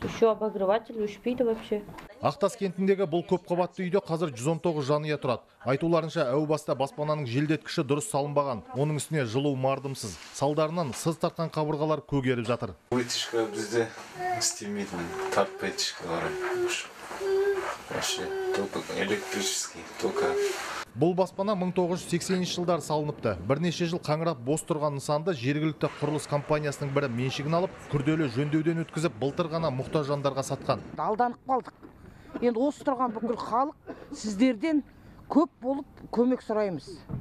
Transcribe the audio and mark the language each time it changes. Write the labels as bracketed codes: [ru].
[ru] Еще обогреватель [kk] өшпейді [ru] вообще. [kk] Ақтас кентіндегі бұл көп қабатты үйде қазір 119 жанұя тұрады. Айтуларынша әу баста баспананың желдеткіші дұрыс салынбаған. Оның үстіне жылу мардымсыз. Салдарынан сыз тартқан қабырғалар көгеріп жатыр. Вытяжка бізде істемейді. Тартпайды шкалары. [ru] Вообще, только электрический, только. [kk] Бұл баспана 1980 жылдар салыныпты. Бірнеше жыл қаңырап бос тұрған нысанды жергілікті құрылыс компаниясының бірі меншігін алып, күрделі жөндеуден өткізіп, былтыр ғана мұқтаж жандарға сатқан. Алданып қалдық. Енді осы тұрған бүкіл халық сіздерден көп болып көмек сұраймыз.